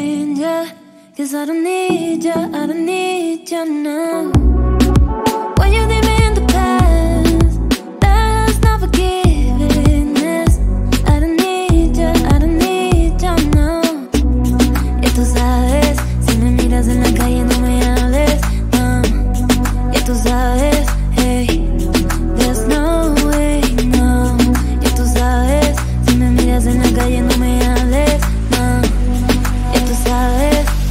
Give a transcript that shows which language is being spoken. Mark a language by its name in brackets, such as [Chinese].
[English] I don't need ya, I don't need ya now. What you did me in the past, that's not forgiveness. I don't need ya, I don't need ya now. [Spanish] Y tú sabes, si me miras en la calle no me hables, no. Y tú sabes, [English] hey, there's no way, no. [Spanish] Y tú sabes, si me miras en la calle no me hables, no. Y tú sabes.